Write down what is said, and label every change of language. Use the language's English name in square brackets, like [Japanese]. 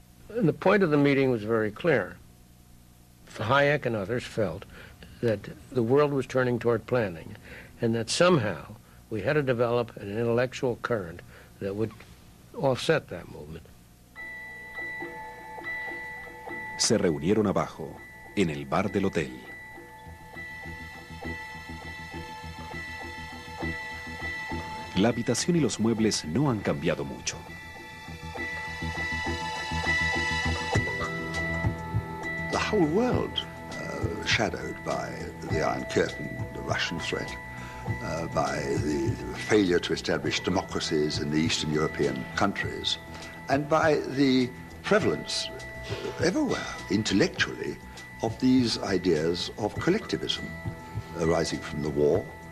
[English] And the point of the meeting was very clear. Hayek and others felt that the world was turning toward planning, and that somehow we had to develop an intellectual current that would offset that movement. [Spanish] Se reunieron abajo, en el bar del hotel. La habitación y los muebles no han cambiado mucho. [English] The whole world, shadowed by the Iron Curtain, the Russian threat, by the failure to establish democracies in the Eastern European countries, and by the prevalence everywhere, intellectually, of these ideas of collectivism arising from the war.